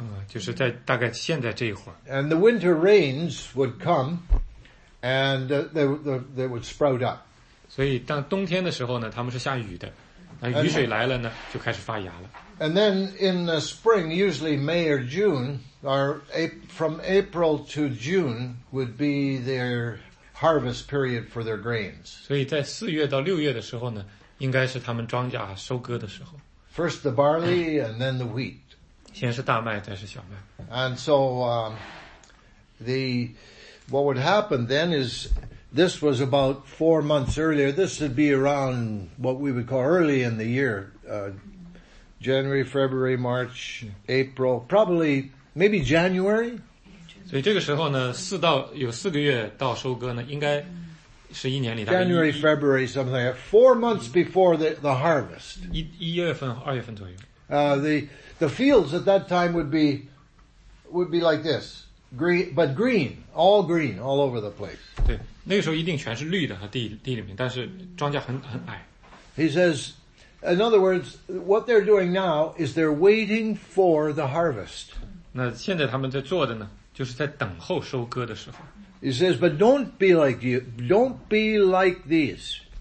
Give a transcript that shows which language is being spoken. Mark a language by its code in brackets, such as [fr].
[zh] 就是在大概现在这一会儿。 [en] And the winter rains would come, and they would sprout up. [zh] 所以当冬天的时候呢, 他们是下雨的, 雨水来了呢, 就开始发芽了。 [en] And then in the spring, usually May or June, or from April to June would be their harvest period for their grains. [zh] 所以在4月到6月的时候呢, 应该是他们庄稼收割的时候。 [en] First the barley, and then the wheat. [zh] 先是大麦,再是小麦。 [en] And so, what would happen then is, this was about 4 months earlier. This would be around what we would call early in the year, January, February, March, April, probably, maybe January? [zh] 所以这个时候呢, 有四个月到收割呢, 应该是一年里, [en] January, February, something like that. 4 months before the harvest. [zh] 一月份,二月份左右。 [en] The fields at that time would be like this, green, all over the place. [zh] 对，那个时候一定全是绿的，地里面，但是庄稼很矮。 [en] He says, in other words, what they're doing now is they're waiting for the harvest. [zh] 那现在他们在做的呢，就是在等候收割的时候。 [en] He says, but don't be like you, don't be like these.